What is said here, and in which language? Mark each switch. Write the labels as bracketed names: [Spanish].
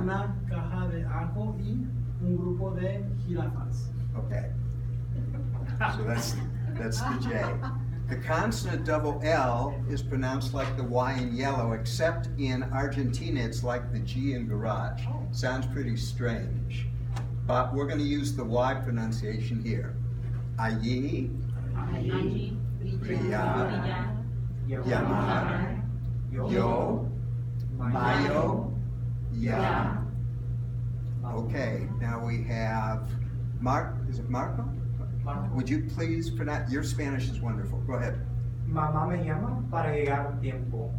[Spanish] Una caja de ajo y un grupo de jirafas. [English] Okay. So that's the J. The consonant double L is pronounced like the Y in yellow, except in Argentina it's like the G in garage. Sounds pretty strange. But we're going to use the Y pronunciation here. [Spanish] Allí, brillar, llamar, yo, mayo, yeah. [English] Okay, now we have Mark. Is it Marco? Marco. Would you please pronounce? Your Spanish is wonderful. Go ahead. [Spanish] Mamá me llama para llegar a tiempo.